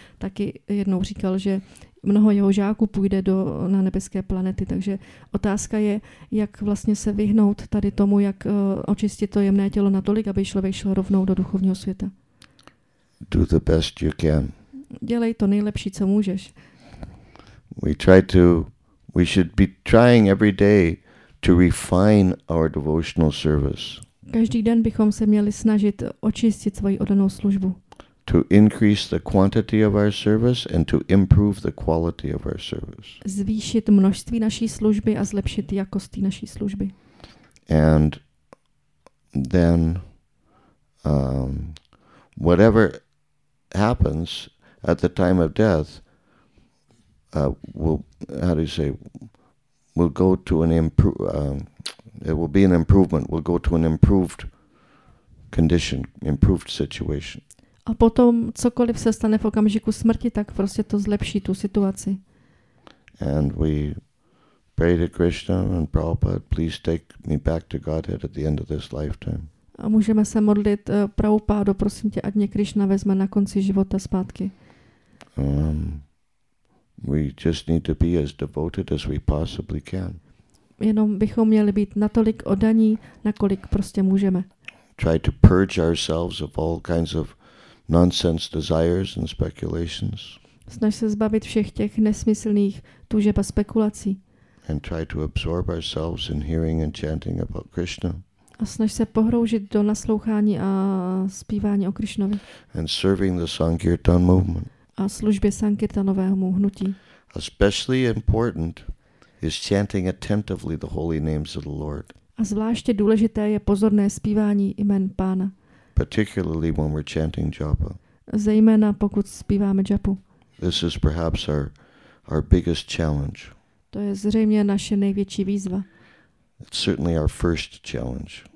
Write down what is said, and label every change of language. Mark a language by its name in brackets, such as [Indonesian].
[Czech] Taky jednou říkal, že mnoho jeho žáků půjde na nebeské planety. Takže otázka je, jak vlastně se vyhnout tady tomu, jak očistit to jemné tělo natolik, aby člověk šel rovnou do duchovního světa. [English] Do the best you can. [Czech] Dělej to nejlepší, co můžeš. [English] We should be trying every day to refine our devotional service. [Czech] Každý den bychom se měli snažit očistit svoji oddanou službu. [English] To increase the quantity of our service and to improve the quality of our service. [Czech] Zvýšit množství naší služby a zlepšit jakost naší služby. [English] And then whatever happens at the time of death, we'll go to an it will be an improvement. We'll go to an improved condition, improved situation. [Czech] A potom cokoliv se stane v okamžiku smrti, tak prostě to zlepší tu situaci. [English] And we pray to Krishna and Prabhupada, please take me back to Godhead at the end of this lifetime. [Czech] A můžeme se modlit Prabhupádo, prosím tě, ať mě Krishna vezme na konci života zpátky. [English] We just need to be as devoted as we possibly can. [Czech] Jenom bychom měli být natolik oddaní, nakolik prostě můžeme. [English] Try to purge ourselves of all kinds of nonsense desires and speculations. [Czech] Snaž se zbavit všech těch nesmyslných tužeb a spekulací. [English] And try to absorb ourselves in hearing and chanting about Krishna. [Czech] A snaž se pohroužit do naslouchání a zpívání o Krišnovi. [English] And serving the Sankirtan movement. [Czech] A službě sankirtanovému hnutí. [English] Especially important is chanting attentively the holy names of the Lord. [Czech] A zvláště důležité je pozorné zpívání jmen Pána. [English] Particularly when we're chanting japa. [Czech] Zejména pokud zpíváme japu. [English] This is perhaps our biggest challenge. [Czech] To je zřejmě naše největší výzva. [English] It's certainly our first challenge.